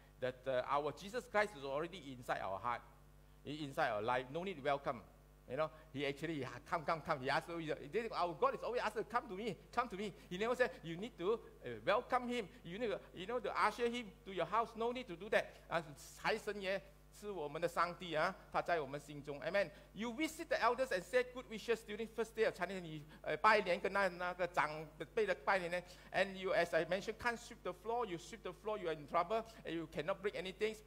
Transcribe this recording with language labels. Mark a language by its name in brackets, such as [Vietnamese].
[English] That our Jesus Christ is already inside our heart, inside our life. No need to welcome. You know, he actually come. He asked, our God is always asked, come to me. He never said, you need to welcome him. You need to, you know, to usher him to your house. No need to do that. [Chinese] 财神爷是我们的上帝啊，他在我们心中. [English] Amen. You visit the elders and say good wishes during first day of Chinese. [Chinese] 你拜年跟那个长辈的拜年呢, [English] and you, as I mentioned, can't sweep the floor. You sweep the floor, you are in trouble, and you cannot break anything.